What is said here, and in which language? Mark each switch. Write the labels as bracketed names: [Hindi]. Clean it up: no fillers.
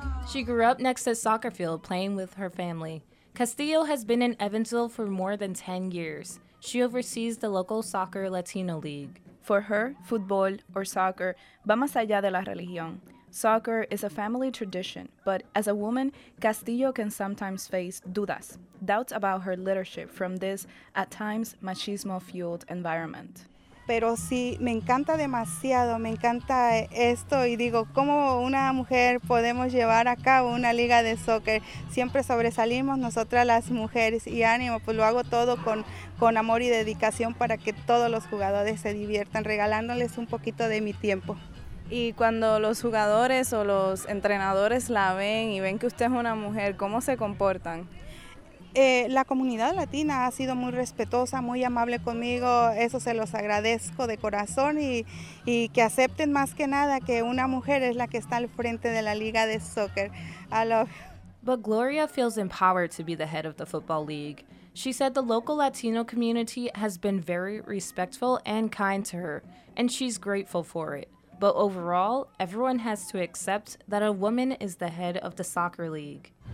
[English] She grew up next to a soccer field playing with her family. Castillo has been in Evansville for more than 10 years. She oversees the local soccer Latino league. For her, football or soccer [Spanish] va más allá de la religión. [English] Soccer is a family tradition, but as a woman, Castillo can sometimes face dudas, doubts about her leadership from this, at times, machismo-fueled environment. [Spanish] Pero sí, me encanta demasiado, me encanta esto y digo, ¿cómo una mujer podemos llevar a cabo una liga de soccer? Siempre sobresalimos nosotras las mujeres y ánimo, pues lo hago todo con amor y dedicación para que todos los jugadores se diviertan, regalándoles un poquito de mi tiempo. Y cuando los jugadores o los entrenadores la ven y ven que usted es una mujer, ¿cómo se comportan? La comunidad latina ha sido muy respetuosa, muy amable conmigo, eso se los agradezco de corazón y que acepten más que nada que una mujer es la que está al frente de la liga de soccer. [English] I love. But Gloria feels empowered to be the head of the football league. She said the local Latino community has been very respectful and kind to her, and she's grateful for it. But overall, everyone has to accept that a woman is the head of the soccer league.